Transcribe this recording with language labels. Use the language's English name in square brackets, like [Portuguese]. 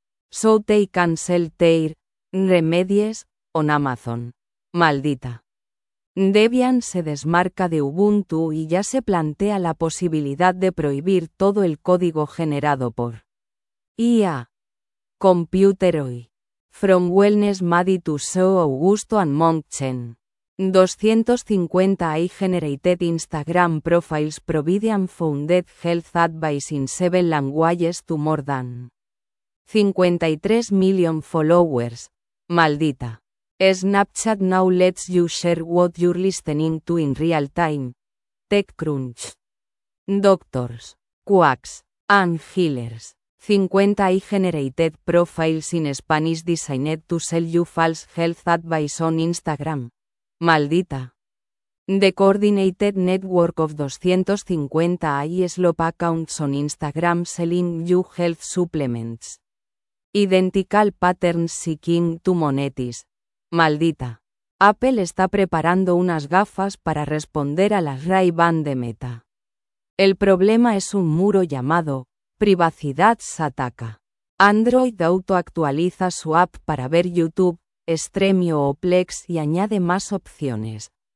[English] So they can sell their remedies on Amazon. Maldita. [Spanish] Debian se desmarca de Ubuntu y ya se plantea la posibilidad de prohibir todo el código generado por IA. [English] Computer OI. From Wellness Maddy to Show Augusto and Monk Chen. 250 AI-generated Instagram profiles provide unfounded health advice in 7 languages to more than 53 million followers. Maldita. Snapchat now lets you share what you're listening to in real time. TechCrunch. Doctors, quacks, and healers. 50 AI-generated profiles in Spanish designed to sell you false health advice on Instagram. Maldita. The coordinated network of 250 AI slop accounts on Instagram selling you health supplements. Identical patterns seeking to monetize. Maldita. [Spanish] Apple está preparando unas gafas para responder a las Ray-Ban de Meta. El problema es un muro llamado Privacidad Sataka. Android autoactualiza su app para ver YouTube, Streamio o Plex y añade más opciones.